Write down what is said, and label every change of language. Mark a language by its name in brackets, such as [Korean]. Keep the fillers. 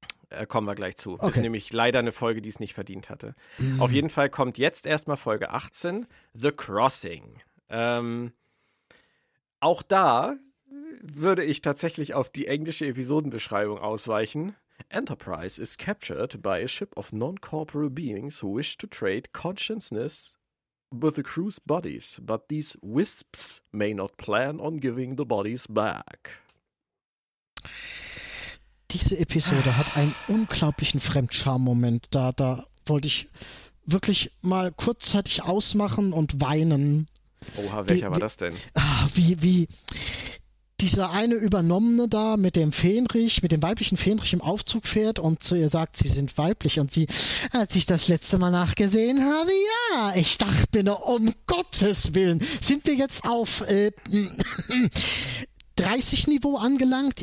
[German] Äh, kommen wir gleich zu. Ist Okay. nämlich leider eine Folge, die es nicht verdient hatte. Auf jeden Fall kommt jetzt erstmal Folge 18, The Crossing. Ähm, auch da würde ich tatsächlich auf die englische Episodenbeschreibung ausweichen. [English] Enterprise is captured by a ship of non-corporeal beings who wish to trade consciousness with the crew's bodies, but these wisps may not plan on giving the bodies back. [German] Diese Episode hat einen unglaublichen Fremdscham-Moment. Da, da wollte ich wirklich mal kurzzeitig ausmachen und weinen. Oha, Wie- welcher war wie- das denn? Ah, wie, wie dieser eine Übernommene da mit dem Fähnrich, mit dem weiblichen Fähnrich im Aufzug fährt und zu ihr sagt, sie sind weiblich und sie, als ich das letzte Mal nachgesehen habe, ja, ich dachte mir nur, um Gottes Willen, sind wir jetzt auf äh, 30 Niveau angelangt?